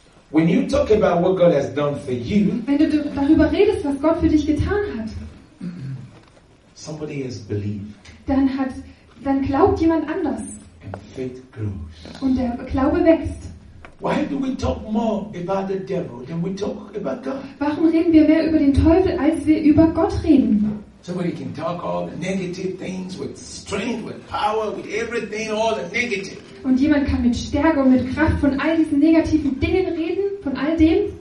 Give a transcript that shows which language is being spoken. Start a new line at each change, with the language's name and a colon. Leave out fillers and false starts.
English: When you talk about what God has done for you,
German: wenn du darüber redest, was Gott für dich getan hat,
English: somebody has believed,
German: dann glaubt jemand anders.
English: And faith grows.
German: Und der Glaube wächst.
English: Why do we talk more about the devil than we talk about God?
German: Warum reden wir mehr über den Teufel, als wir über Gott reden?
English: Somebody can talk all the negative things with strength, with power, with everything, all the negative.
German: Und jemand kann mit Stärke und mit Kraft von all diesen negativen Dingen reden, von all dem.